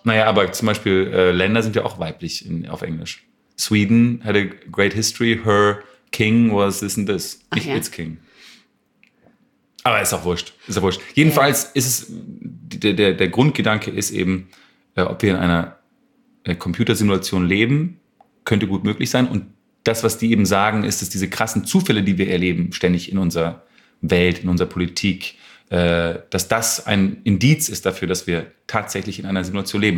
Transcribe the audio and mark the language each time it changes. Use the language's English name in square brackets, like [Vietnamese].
[German] Naja, aber zum Beispiel Länder sind ja auch weiblich auf Englisch. [English] Sweden had a great history. Her king was this and this. [German] Ach, ja. [English] It's king. [German] Aber ist auch wurscht. Ist auch wurscht. Jedenfalls ist es, der Grundgedanke ist eben, ob wir in einer Computersimulation leben, könnte gut möglich sein. Und das, was die eben sagen, ist, dass diese krassen Zufälle, die wir erleben, ständig in unserer Welt, in unserer Politik, dass das ein Indiz ist dafür, dass wir tatsächlich in einer Simulation leben.